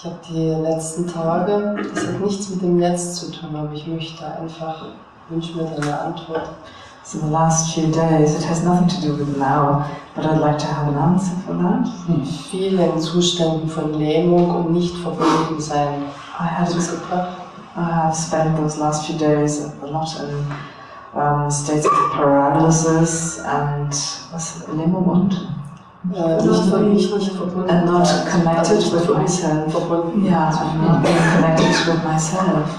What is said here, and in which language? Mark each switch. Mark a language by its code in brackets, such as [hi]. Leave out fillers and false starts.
[de] Die letzten Tage, das hat nichts mit dem Jetzt zu tun, aber ich möchte einfach, wünsche mir deine Antwort. [en] So the last few days, it has nothing to do with now, but I'd like to have an answer for that. [de] In vielen Zuständen von Lähmung und nicht verbunden sein. [en] I have spent those last few days a lot in states of paralysis and was limo und not connected with myself.